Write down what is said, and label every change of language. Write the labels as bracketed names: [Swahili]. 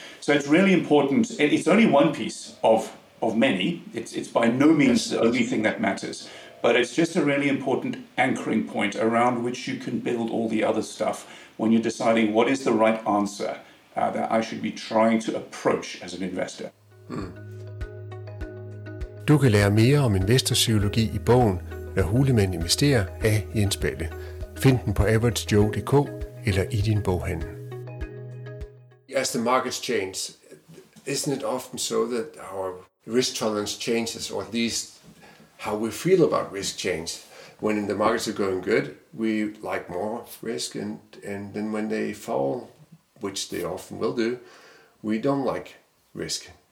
[English] So it's really important. It's only one piece of many. It's by no means the only thing that matters. But it's just a really important anchoring point around which you can build all the other stuff when you're deciding what is the right answer that I should be trying to approach as an investor. Hmm. [Danish] Du kan lære mere om investorpsykologi i bogen Når Hulemænd Investerer af Jens Balle. Find den på averagejoe.dk eller i din boghandel. [English] As the markets change, isn't it often so that our risk tolerance changes, or at least how we feel about risk change? When the markets are going good, we like more risk, and then when they fall, which they often will do, we don't like risk.